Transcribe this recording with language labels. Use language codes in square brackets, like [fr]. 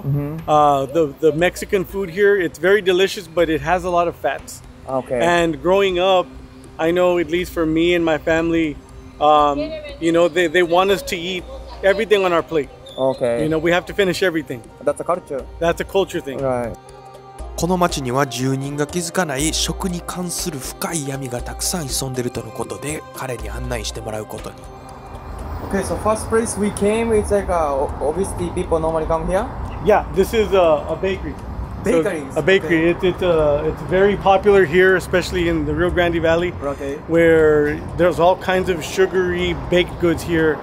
[en] Mm-hmm. The Mexican food here, it's very delicious, but it has a lot of fats. Okay. And growing up, I know at least for me and my family, you know, they want us to eat everything on our plate. Okay. You know, we have to finish everything. That's a culture. That's a culture thing. Right. [ja] この町には住人が気づかない食に関する深い闇がたくさん潜んでるとのことで、彼に案内してもらうことに。 [en] Okay, so first place we came, it's like obviously people normally come here? Yeah, this is a bakery. A bakery. Okay. It's very popular here, especially in the Rio Grande Valley, okay. where there's all kinds of sugary baked goods here.